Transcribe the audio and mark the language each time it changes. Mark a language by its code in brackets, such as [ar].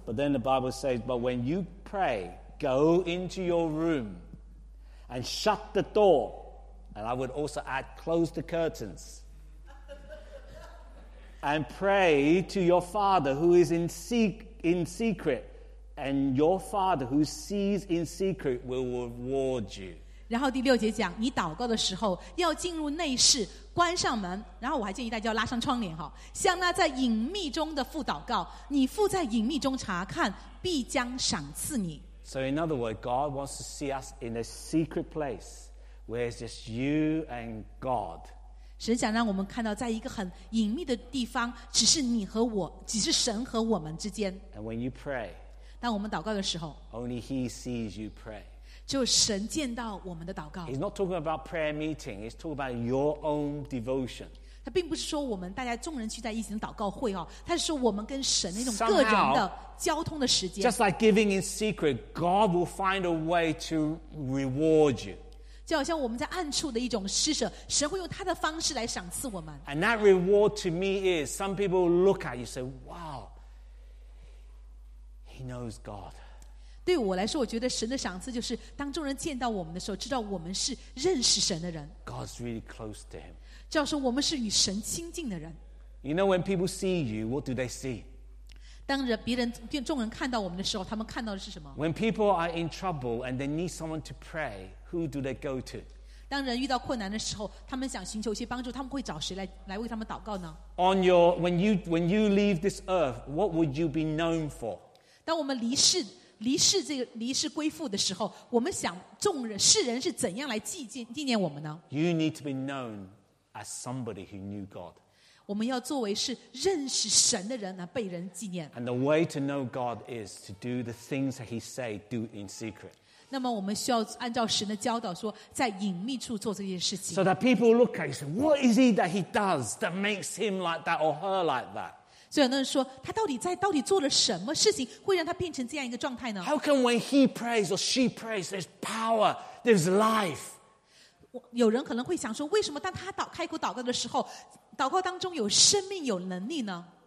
[en] But then the Bible says, "But when you pray, go into your room and shut the door, and I would also add, close the curtains, and pray to your Father who is in secret." And your Father who sees in secret will reward you. [zh] 然后第六节讲，你祷告的时候要进入内室，关上门。然后我还建议大家要拉上窗帘哈，向那在隐秘中的父祷告。你父在隐秘中查看，必将赏赐你。 [en] So in other words, God wants to see us in a secret place where it's just you and God. [zh] 神想让我们看到，在一个很隐秘的地方，只是你和我，只是神和我们之间。 [en] And when you pray. [zh] 当我们祷告的时候 [en] Only he sees you pray. [zh] 就神见到我们的祷告。 [en] He's not talking about prayer meeting. He's talking about your own devotion. [zh] 他并不是说我们大家众人聚在一起的祷告会哦，他是说我们跟神那种个人的交通的时间。 [en] Just like giving in secret, God will find a way to reward you. [zh] 就好像我们在暗处的一种施舍，神会用他的方式来赏赐我们。 [en] And that reward to me is some people look at you say, "Wow." He knows God. [zh] 对我来说，我觉得神的赏赐就是当众人见到我们的时候，知道我们是认识神的人。 [en] God's really close to him. [zh] 就要说我们是与神亲近的人。 [en] You know when people see you, what do they see? [zh] 当着别人见众人看到我们的时候，他们看到的是什么？ [en] When people are in trouble and they need someone to pray, who do they go to? [zh] 当人遇到困难的时候，他们想寻求一些帮助，他们会找谁来为他们祷告呢？ [en] On your when you leave this earth, what would you be known for? [zh] 当我们离世归父的时候，我们想众人世人是怎样来纪念我们呢？ [en] You need to be known as somebody who knew God. [zh] 我们要作为是认识神的人来被人纪念。 [en] And the way to know God is to do the things that He say do in secret. [zh] 那么我们需要按照神的教导说，在隐秘处做这件事情。 [en] So that people look at you say, "What is it that He does that makes Him like that or her like that?" [zh] 所以有人说，他到底做了什么事情，会让他变成这样一个状态呢 [en] ？How come when he prays or she prays, there's power, there's life? [zh] 有人可能会想说，为什么当他开口祷告的时候，祷告当中有生命、有能力呢